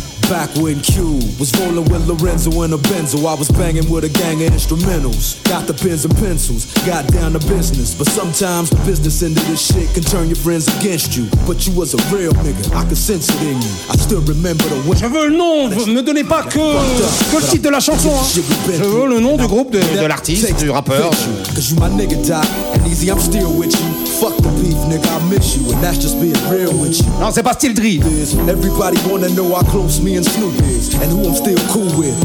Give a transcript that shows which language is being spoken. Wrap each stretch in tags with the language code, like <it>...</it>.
<en>Back when Q was rolling with Lorenzo in a Benzo, I was banging with a gang of instrumentals. Got the pens and pencils, got down to business. But sometimes the business end of this shit can turn your friends against you. But you was a real nigga, I could sense it in you. I still remember the way.</en> <fr>Je veux le nom, ne donnez pas que le titre de la chanson, hein. Je veux le nom du groupe, de l'artiste, du rappeur.</fr> <en>Cause you my nigga, Doc, and easy, I'm still with you. Fuck the beef, nigga, I miss you, and that's just being real with you.</en> <fr>Non, c'est pas Steel Dre.</fr> <en>Everybody wanna know how close me and Snoop is, and who I'm still cool with.</en>